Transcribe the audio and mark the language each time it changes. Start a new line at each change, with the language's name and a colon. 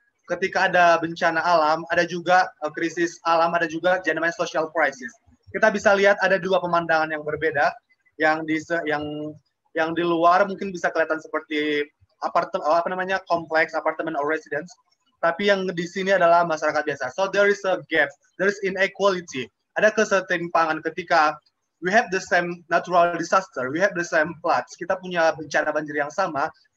Indonesian: Ketika ada bencana alam, ada juga krisis alam, ada juga yang namanya
English: social crisis.
Indonesian: Kita bisa lihat ada dua pemandangan yang berbeda, yang di luar mungkin bisa kelihatan seperti kompleks apartemen
English: or residence,
Indonesian: tapi yang di sini adalah masyarakat biasa.
English: So there is a gap, there is inequality.
Indonesian: Ada kesetimpangan ketika
English: we have the same natural disaster, we have the same floods.
Indonesian: Kita punya bencana banjir yang sama.